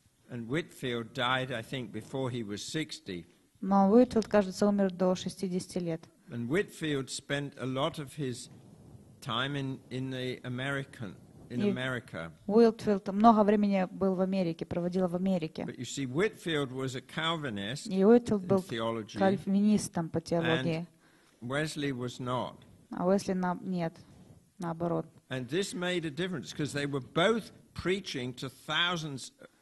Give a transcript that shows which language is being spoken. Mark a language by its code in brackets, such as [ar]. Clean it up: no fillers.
[en] And Whitfield died, I think, before he was 60. [ru] Но Уитфилд, кажется, умер до 60 лет. [en] And Whitfield spent a lot of his time in America. [ru] Уитфилд много времени был в Америке, проводил в Америке. [en] But you see, Whitfield was a Calvinist. [ru] И Уитфилд был кальвинистом по теологии. [en] And Wesley was not. [ru] А Уэсли нет, наоборот. [en] And this made a difference because they were both preaching to thousands.